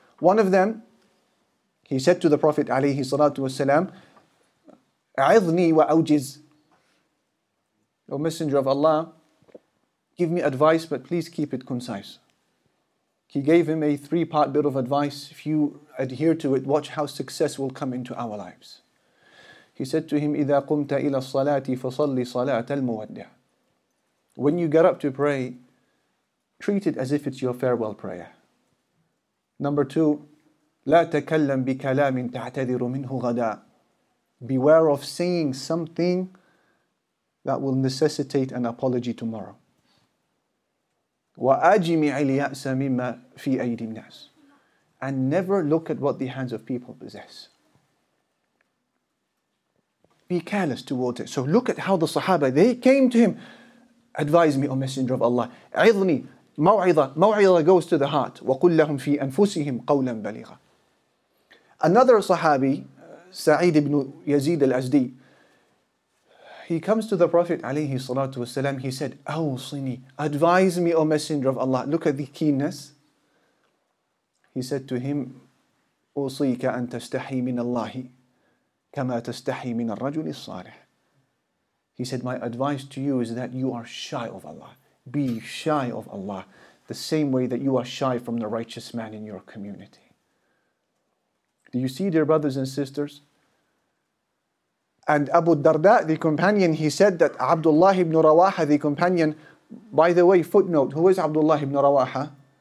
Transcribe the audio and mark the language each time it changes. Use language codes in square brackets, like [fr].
[en] One of them, he said to the Prophet alayhi salatu wasalam, [ar] A'idhni wa awjiz. [en] O Messenger of Allah, give me advice, but please keep it concise. He gave him a three-part bit of advice. If you adhere to it, watch how success will come into our lives. He said to him, [ar] إِذَا قُمْتَ إِلَى الصَّلَاةِ فَصَلِّ صَلَاةَ الْمُوَدِّعِ. [en] When you get up to pray, treat it as if it's your farewell prayer. Number two, [ar] لَا تَكَلَّمْ بِكَلَامٍ تَعْتَذِرُ مِنْهُ غَدًا. [en] Beware of saying something that will necessitate an apology tomorrow. [ar] وَأَجِمِعِ الْيَأْسَ مِمَّا فِي أَيْدِ النَّاسِ. [en] And never look at what the hands of people possess. Be careless towards it. So look at how the Sahaba, they came to him. Advise me, O Messenger of Allah. [ar] عِظْنِي مَوْعِظَة. [en] مَوْعِظَة goes to the heart. [ar] وَقُلْ لَهُمْ فِي أَنفُسِهِمْ قَوْلًا بَلِيغًا. [en] Another Sahabi, Sa'id ibn Yazid al-Azdi, he comes to the Prophet alayhi salatu wasalam. He said, [ar] أَوْصِنِي. [en] Advise me, O Messenger of Allah. Look at the keenness. He said to him, [ar] أُوصِيكَ أَن تَسْتَحِي مِنَ اللَّهِ كَمَا تَسْتَحِي مِنَ الرَّجُلِ الصَّالِحِ. [en] He said, my advice to you is that you are shy of Allah. Be shy of Allah the same way that you are shy from the righteous man in your community. Do you see, dear brothers and sisters? And Abu Darda, the companion, he said that Abdullah ibn Rawaha, the companion, by the way, footnote, who is Abdullah ibn Rawaha?